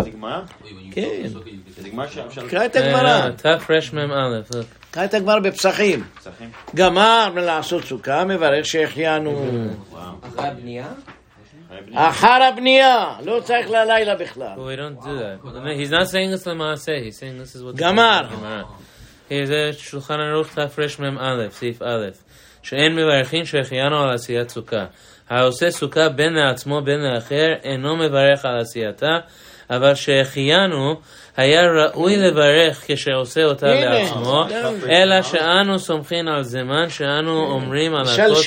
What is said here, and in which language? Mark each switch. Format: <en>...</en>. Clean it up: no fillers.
<he>זה גמרא? כן. קרא את הגמרא. תפרש מם א', קרא את הגמרא בפסחים. גמר לעשות סוכה, מברך שהחיינו. אחרי הבנייה? אחר הבנייה, לא צריך ללילה בכלל.</he> <en>We don't do that. He's not saying this למעשה, he's saying this is what...</en> <he>גמר. זה שולחן ערוך תפרש מם א', סעיף א', שאין מברכים שהחיינו על עשיית סוכה. העושה סוכה בין לעצמו בין לאחר אינו מברך על עשייתה, אבל שהחיינו היה ראוי לברך כשעושה אותה לעצמו, אלא שאנו סומכים על זמן שאנו אומרים על הכוס של קידוש.</he>